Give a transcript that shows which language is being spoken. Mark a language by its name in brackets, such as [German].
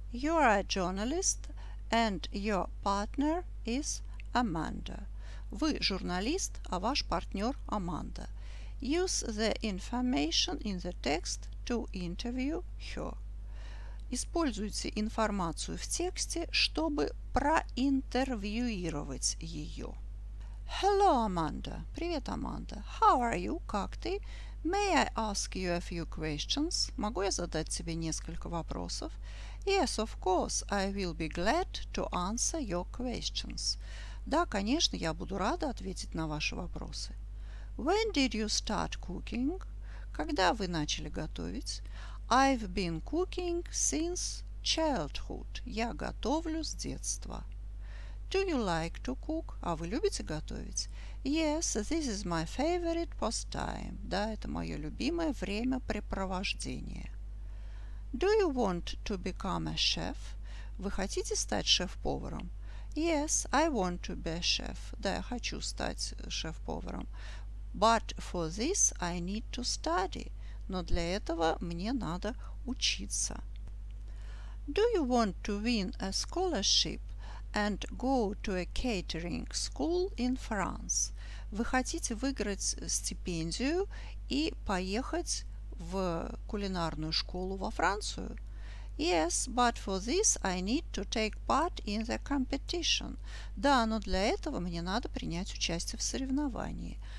[English] You are a journalist and your partner is Amanda. [Russian] Вы журналист, а ваш партнер Аманда. [English] Use the information in the text to interview her. [Russian] Используйте информацию в тексте, чтобы проинтервьюировать ее. [English] Hello, Amanda. [Russian] Привет, Аманда. [English] How are you? [Russian] Как ты? [English] May I ask you a few questions? [Russian] Могу я задать тебе несколько вопросов? [English] Yes, of course. I will be glad to answer your questions. [Russian] Да, конечно, я буду рада ответить на ваши вопросы. [English] When did you start cooking? [Russian] Когда вы начали готовить? [English] I've been cooking since childhood. [Russian] Я готовлю с детства. [English] Do you like to cook? [Russian] А вы любите готовить? [English] Yes, this is my favorite pastime. [Russian] Да, это мое любимое времяпрепровождение. [English] Do you want to become a chef? [Russian] Вы хотите стать шеф-поваром? [English] Yes, I want to be a chef. [Russian] Да, я хочу стать шеф-поваром. [English] But for this I need to study. [Russian] Но для этого мне надо учиться. [English] Do you want to win a scholarship and go to a catering school in France? [Russian] Вы хотите выиграть стипендию и поехать в кулинарную школу во Францию? [English] Yes, but for this I need to take part in the competition. [Russian] Да, но для этого мне надо принять участие в соревновании.